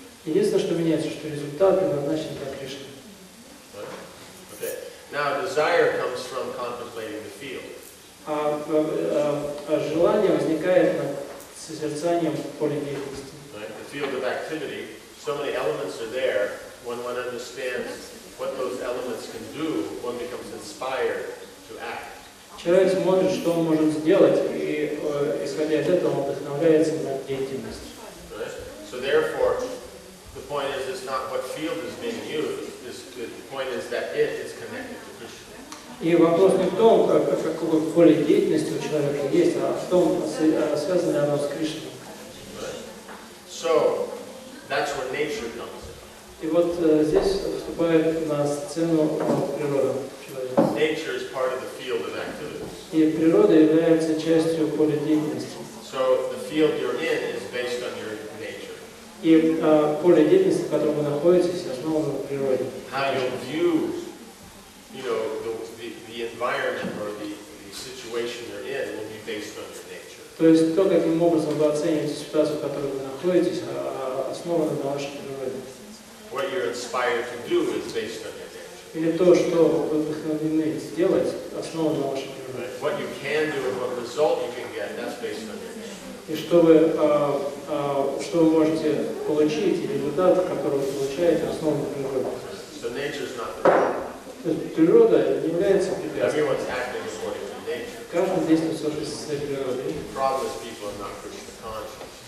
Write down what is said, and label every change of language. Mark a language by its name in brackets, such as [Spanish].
[Russian] Единственное, что меняется, что результат предназначен для Кришны. [English] Okay. Now desire comes from contemplating the field. [Russian] А желание возникает на созерцанием поля деятельности. [English] Right? The field of activity, so many elements are there, when one understands what those elements can do, one becomes inspired to act. [Russian] Человек смотрит, что он может сделать, и исходя из этого он вдохновляется на деятельность. [English] Right? So therefore, the point is, it's not what field is being used, it's, the point is that it is connected. [Russian] И вопрос не в том, какое поле деятельности у человека есть, а в том, связано ли оно с Кришной. [English] So, that's where nature comes in. [Russian] И вот здесь вступает на сцену природа человека. [English] Nature is part of the field of activity. [Russian] И природа является частью поля деятельности. [English] So, the field you're in is based on your nature. [Russian] И поле деятельности, в котором вы находитесь, основано на природе. [English] How you view, you know, the environment or the situation you're in will be based on your nature. [Russian] То есть то, каким образом вы оцениваете ситуацию, в которой вы находитесь, основано на вашей природе. [English] What you're inspired to do is based on your nature. [Russian] Или то, что вы вдохновлены сделать, основано на вашей природе. [English] Right. What you can do and what result you can get, that's based on your nature. [Russian] И что вы можете получить, или результат, который вы получаете, основано на природе. [English] So nature is not the [Russian] природа не является препятствием. [English] Everyone's acting according to nature. [Russian] Каждый действует в соответствии с природой. [English] Problem is people are not Krishna conscious.